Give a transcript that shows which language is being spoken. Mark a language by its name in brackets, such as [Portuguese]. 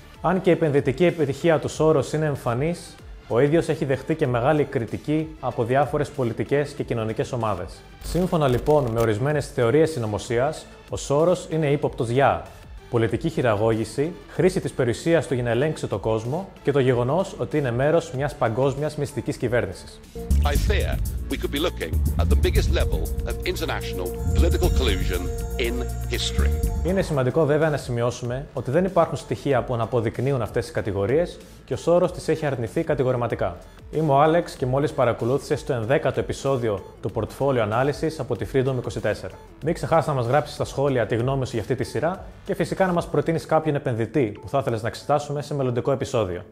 [Greek] Αν και η επενδυτική επιτυχία του Soros είναι εμφανής, ο ίδιος έχει δεχτεί και μεγάλη κριτική από διάφορες πολιτικές και κοινωνικές ομάδες. Σύμφωνα λοιπόν με ορισμένες θεωρίες συνωμοσίας, ο Soros είναι ύποπτος για πολιτική χειραγώγηση, χρήση της περιουσίας του για να ελέγξει τον κόσμο και το γεγονός ότι είναι μέρος μιας παγκόσμιας μυστικής κυβέρνησης. [English] I fear we could be looking at the biggest level of international political collusion in history. [Greek] Είναι σημαντικό βέβαια να σημειώσουμε ότι δεν υπάρχουν στοιχεία που να αποδεικνύουν αυτές τις κατηγορίες και ο Σόρος τις έχει αρνηθεί κατηγορηματικά. Είμαι ο Άλεξ και μόλις παρακολούθησες το 11ο επεισόδιο του Portfolio Analysis από τη Freedom24. Μην ξεχάσεις να μας γράψεις στα σχόλια τη γνώμη σου για αυτή τη σειρά και φυσικά να μας προτείνεις κάποιον επενδυτή που θα ήθελες να εξετάσουμε σε μελλοντικό επεισόδιο.